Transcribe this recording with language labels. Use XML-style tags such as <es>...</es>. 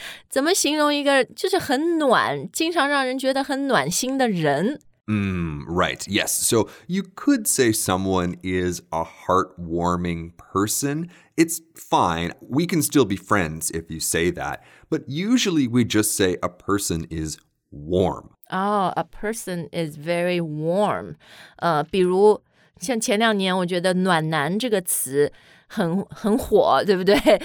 <zh>怎么形容一个就是很暖，经常让人觉得很暖心的人？</zh> <en>Right, yes. So you could say someone is a heartwarming person. It's fine. We can still be friends if you say that. But usually we just say a person is warm. Oh, a person is very warm.</en> <zh>比如像前两年我觉得暖男这个词很火，对不对？</zh>